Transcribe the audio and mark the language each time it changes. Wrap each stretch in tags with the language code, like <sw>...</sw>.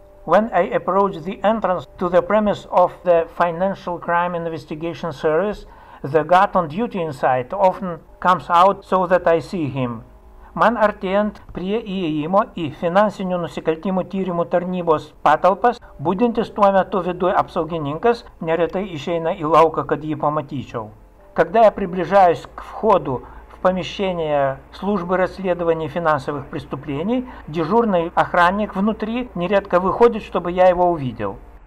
<en>When I approached the entrance to the premise of the Financial Crime Investigation Service, the guard on duty inside often comes out so that I see him.</en> <lt>Man artėjant prie įėjimo į finansinių nusikaltimų tyrimų tarnybos patalpas, būdintis tuo metu viduje apsaugininkas neretai išeina į lauką, kad jį pamatyčiau.</lt> <ru>Когда я приближаюсь к входу в помещение службы расследования финансовых преступлений, дежурный охранник внутри нередко выходит, чтобы я его увидел.</ru>